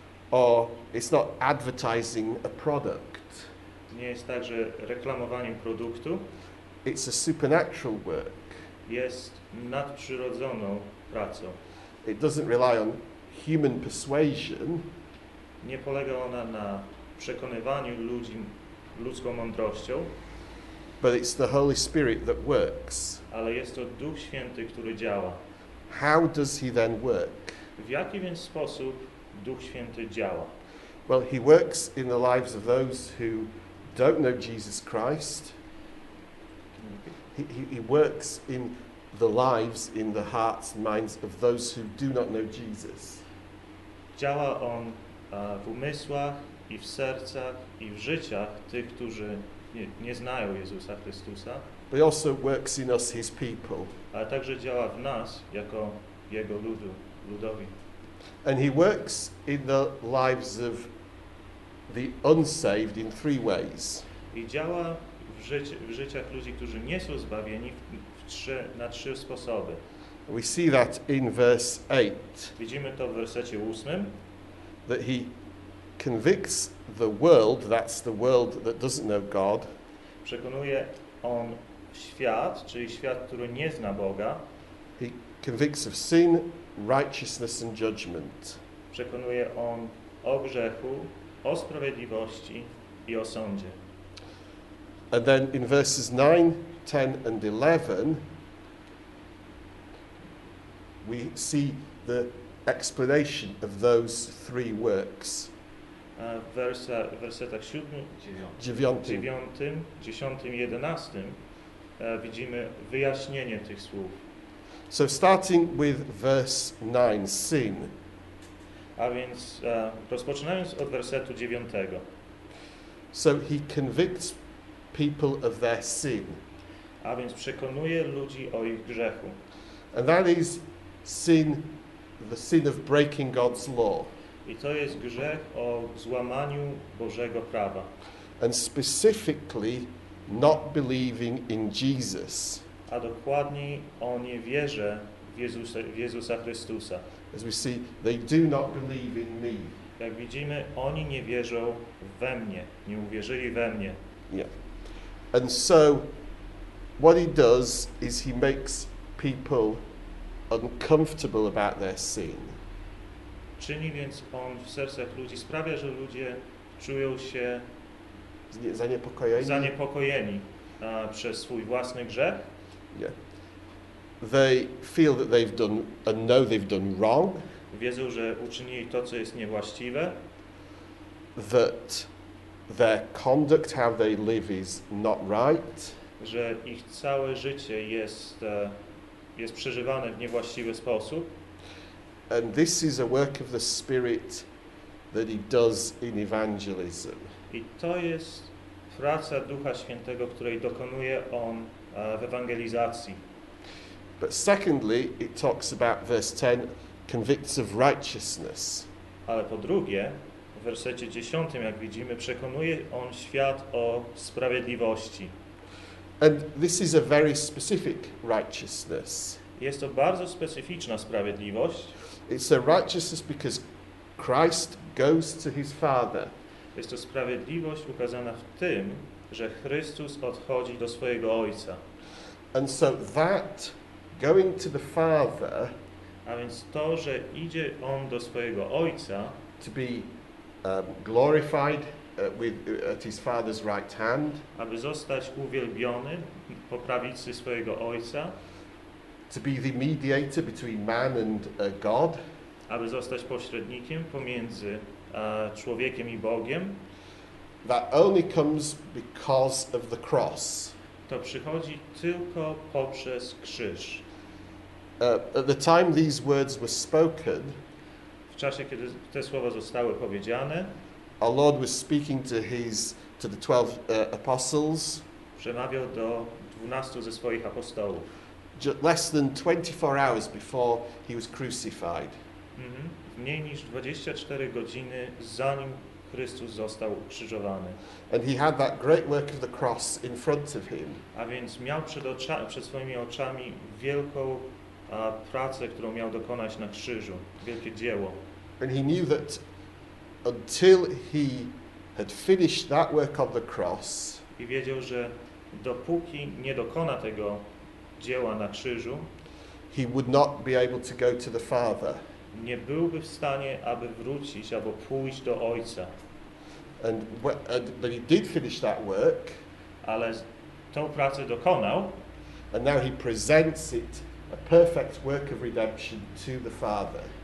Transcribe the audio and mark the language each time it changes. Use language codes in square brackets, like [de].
[en] Or it's not advertising a product. [pl] Nie jest także reklamowaniem produktu. [en] It's a supernatural work. [pl] Jest nadprzyrodzoną pracą. [en] It doesn't rely on human persuasion. [pl] Nie polega ona na przekonywaniu ludzi ludzką mądrością. [en] But it's the Holy Spirit that works. [pl] Ale jest to Duch Święty, który działa. [en] How does he then work? [pl] W jaki więc sposób Duch Święty działa? [en] Well, he works in the lives of those who don't know Jesus Christ. He works in the lives, in the hearts and minds of those who do not know Jesus. [pl] Działa on w umysłach i w sercach i w życiach tych, którzy nie znają Jezusa Chrystusa. [en] But he also works in us, his people. [pl] Ale także działa w nas jako jego ludowi. [en] And he works in the lives of the unsaved in three ways. [pl] I działa w życiach ludzi, którzy nie są zbawieni na trzy sposoby. [en] We see that in verse 8. [pl] Widzimy to w wersecie 8. [en] That he convicts the world, that's the world that doesn't know God. [pl] Przekonuje on świat, czyli świat, który nie zna Boga. [en] He convicts of sin, righteousness and judgment. [pl] Przekonuje on o grzechu, o sprawiedliwości i o sądzie. [en] And then in verses 9, 10 and 11 we see the explanation of those three works. [pl] W wersetach 9, 10, 11 widzimy wyjaśnienie tych słów. [en] So starting with verse 9, sin. [pl] A więc rozpoczynając od wersetu 9. [en] So he convicts people of their sin. [pl] A więc przekonuje ludzi o ich grzechu. [en] And that is sin, the sin of breaking God's law. [pl] I to jest grzech o złamaniu Bożego prawa. [en] And specifically not believing in Jesus. [pl] A dokładniej o niewierze w Jezusa Chrystusa. [en] As we see, they do not believe in me. [pl] Jak widzimy, oni nie wierzą we mnie, nie uwierzyli we mnie. Yeah. [en] And so what he does is he makes people uncomfortable about their sin. [pl] Czyni więc on w sercach ludzi, sprawia, że ludzie czują się zaniepokojeni przez swój własny grzech. Yeah. [en] They feel that they've done and know they've done wrong. [pl] Wiedzą, że uczynili to, co jest niewłaściwe. [en] That their conduct, how they live, is not right. [pl] Że ich całe życie jest przeżywane w niewłaściwy sposób. [en] And this is a work of the Spirit that he does in evangelism. [pl] I to jest praca Ducha Świętego, której dokonuje on w ewangelizacji. [en] But secondly, it talks about verse 10, convicts of righteousness. [pl] Ale po drugie, w wersecie 10, jak widzimy, przekonuje on świat o sprawiedliwości. [en] And this is a very specific righteousness. [pl] Jest to bardzo specyficzna sprawiedliwość. [en] It's a righteousness because Christ goes to his Father. [pl] Jest to sprawiedliwość ukazana w tym, że Chrystus odchodzi do swojego Ojca. [en] And so that going to the Father, [pl] a więc to, że idzie on do swojego Ojca, [en] to be glorified at his Father's right hand, [pl] aby zostać uwielbiony po prawicy swojego Ojca, [en] to be the mediator between man and God, [pl] aby zostać pośrednikiem pomiędzy człowiekiem i Bogiem, [en] that only comes because of the cross. [pl] To przychodzi tylko poprzez krzyż. [en] At the time these words were spoken, [pl] w czasie, kiedy te słowa zostały powiedziane, [en] our Lord was speaking to the 12 apostles, [pl] przemawiał do 12 ze swoich apostołów, [en] less than 24 hours before he was crucified. [pl] Mniej niż 24 godziny zanim Chrystus został ukrzyżowany. [en] And he had that great work of the cross in front of him. [pl] A więc miał przed swoimi oczami wielką pracę, którą miał dokonać na krzyżu, wielkie dzieło. [en] And he knew that until he had finished that work of the cross, [pl] i wiedział, że dopóki nie dokona tego dzieła na krzyżu, [en] he would not be able to go to the Father. [pl] Nie byłby w stanie, aby wrócić albo pójść do Ojca. [en] But he did finish that work. [pl] Ale tą pracę dokonał. [en] And now he presents it, a perfect work of redemption, to the Father.